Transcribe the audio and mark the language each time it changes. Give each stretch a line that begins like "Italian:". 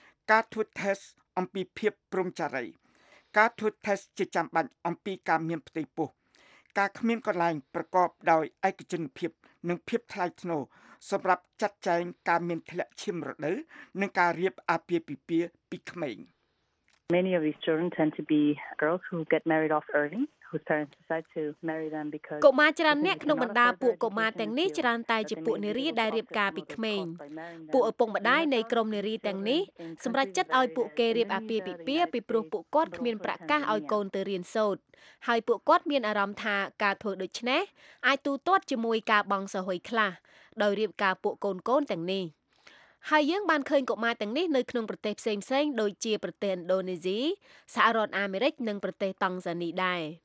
Khmer: ការធ្វើ test អំពីភាពព្រមចារីការធ្វើ test ជាចាំបាច់អំពីការមានផ្ទៃពោះការគ្មានកន្លែងប្រកបដោយឯកជនភាពនិងភាពថ្លៃថ្នូរសម្រាប់ចាត់ចែងការមានធ្លាក់ឈាមរដូវនិងការរៀបអាពាហ៍ពិពាហ៍ពីក្មេង
English: Many of these children tend to be girls who get married off early. Whose parents decide to marry them because
Khmer: កុមារច្រើនអ្នកក្នុងបណ្ដាពួកកុមារទាំងនេះច្រើនតែជាពួកនារីដែលរៀបការពីក្មេងពួកឪពុកម្ដាយនៃក្រុមនារីទាំងនេះសម្រាប់ចិត្តឲ្យពួកគេរៀបអាពាហ៍ពិពាហ៍ពីព្រោះពួកគាត់គ្មានប្រាក់កាសឲ្យកូនទៅរៀនសូត្រហើយពួកគាត់មានអារម្មណ៍ថាការធ្វើដូច្នេះអាចទូទាត់ជាមួយការបង់សហយខ្លះដោយរៀបការពួកកូនកូនទាំងនេះហើយយើងបានឃើញកុមារទាំងនេះនៅក្នុងប្រទេសផ្សេងៗដូចជាប្រទេសឥណ្ឌូនេស៊ីសហរដ្ឋអាមេរិកនិងប្រទេសតង់ហ្សានីដែរ